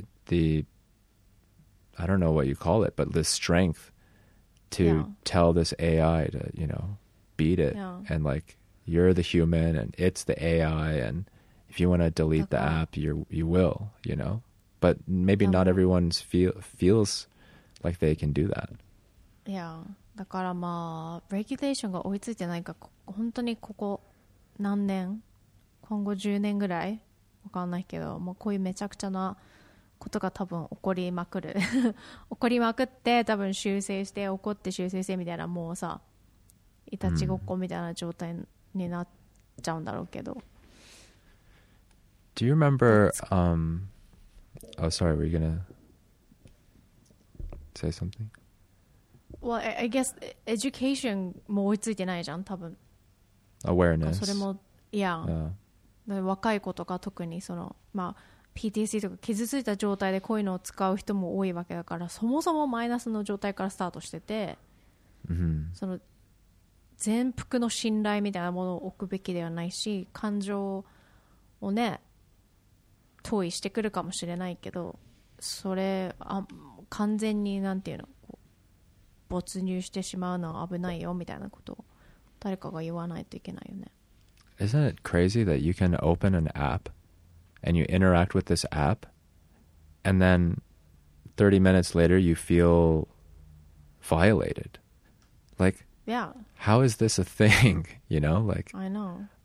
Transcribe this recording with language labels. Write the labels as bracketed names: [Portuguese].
[English] I don't know what you call it, but the strength to tell this AI to, you know, beat it. Yeah. And like, you're the human and it's the AI. And if you want to delete the app, you will, you know, but maybe not everyone feels like they can do that. Yeah. [Japanese] だからまあ、regulation が追いついてないか、本当にここ何年、今後10年ぐらい、わかんないけど、もうこういうめちゃくちゃなことが多分起こりまくる起こりまくって多分修正して怒って修正してみたいなもうさいたちごっこみたいな状態になっちゃうんだろうけど、う [English] ん、Do you remember Oh sorry, were you gonna say something? Well, I guess education [Japanese] も追いついてないじゃん多分 [English] Awareness [Japanese] それも若い子とか特にそのまあPTSD とか傷ついた状態でこういうのを使う人も多いわけだからそもそもマイナスの状態からスタートしてて、 mm-hmm. その全幅の信頼みたいなものを置くべきではないし感情をね投影してくるかもしれないけどそれあ完全になんていうのこう没入してしまうのは危ないよみたいなことを誰かが言わないといけないよね [English] Isn't it crazy that you can open an app?And you interact with this app, and then 30 minutes later, you feel violated. Like, yeah. How is this a thing? You know, like, I know.